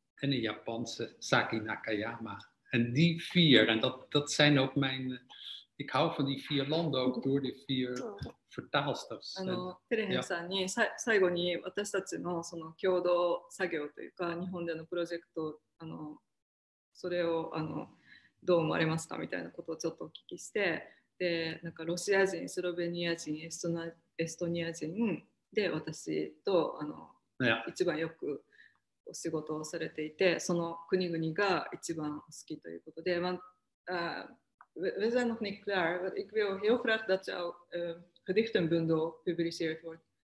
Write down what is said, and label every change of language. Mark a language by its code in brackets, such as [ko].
[nl] En een Japanse, Saki Nakayama. En die vier, en dat zijn ook mijn... Ik hou van die vier landen ook door die vier vertaalsters. [ja] テレヘンさんに最後に私たちの共同作業というか、日本での共同作業というか、日本でのプロジェクト、それをどう思われますかみたいなことをちょっとお聞きして、ロシア人、スロベニア人、エストニア人で私と一番よく [nl] We zijn nog niet klaar. Ik wil heel graag dat jouw gedichtenbundel gepubliceerd wordt.